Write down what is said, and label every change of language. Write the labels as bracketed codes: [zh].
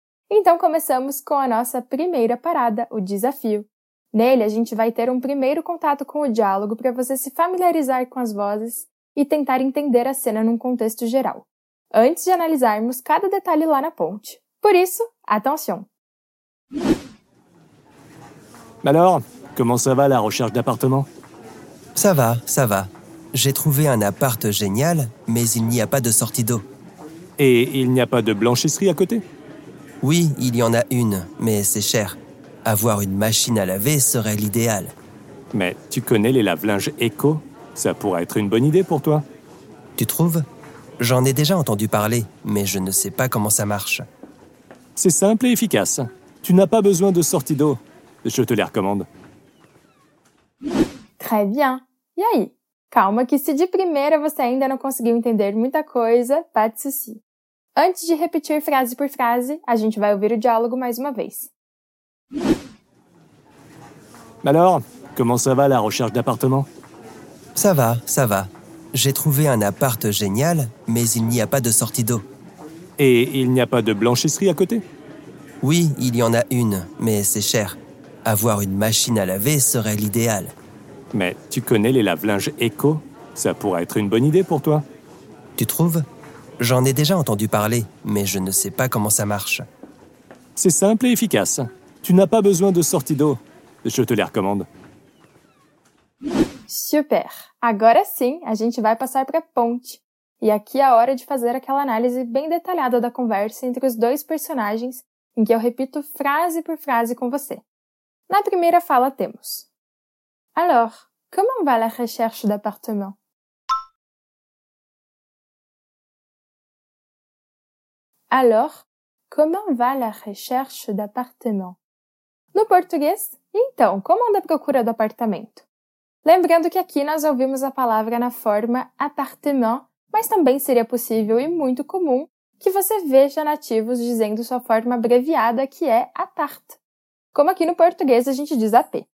[pt] Então começamos com a nossa primeira parada, o desafio. Nele, a gente vai ter um primeiro contato com o diálogo para você se familiarizar com as vozes e tentar entender a cena num contexto geral, antes de analisarmos cada detalhe lá na ponte. Por isso, attention! [fr] Alors, comment ça va la recherche d'appartement? Ça va, ça va. J'ai trouvé un appart génial, mais il n'y a pas de sortie d'eau. Et il n'y a pas de blanchisserie à côté? Oui, il y en a une, mais c'est cher. Avoir une machine à laver serait l'idéal. Mais tu connais les lave-linges éco? Ça pourrait être une bonne idée pour toi. Tu trouves? J'en ai déjà entendu parler, mais je ne sais pas comment ça marche. C'est simple et efficace. Tu n'as pas besoin de sortie d'eau. Je te les recommande. Très bien. [pt] E aí? Calma que se de primeira você ainda não conseguiu entender muita coisa, [fr] pas de souci. [pt] Antes de repetir frase por frase, a gente vai ouvir o diálogo mais uma vez. [fr] Alors, comment ça va la recherche d'appartement? Ça va, ça va. J'ai trouvé un appart génial, mais il n'y a pas de sortie d'eau. Et il n'y a pas de blanchisserie à côté? Oui, il y en a une, mais c'est cher. Avoir une machine à laver serait l'idéal. Mais tu connais les lave-linges éco? Ça pourrait être une bonne idée pour toi. Tu trouves? J'en ai déjà entendu parler, mais je ne sais pas comment ça marche. C'est simple et efficace. Tu n'as pas besoin de sortie d'eau. Je te les recommande. Super! [pt] Agora sim, a gente vai passar para a ponte. E aqui é a hora de fazer aquela análise bem detalhada da conversa entre os dois personagens, em que eu repito frase por frase com você. Na primeira fala temos: [fr] Alors, comment va la recherche d'appartement? Alors, comment va la recherche d'appartement? [pt] No português, então, como anda a procura do apartamento? Lembrando que aqui nós ouvimos a palavra na forma appartement, mas também seria possível e muito comum que você veja nativos dizendo sua forma abreviada, que é appart, como aqui no português a gente diz AP.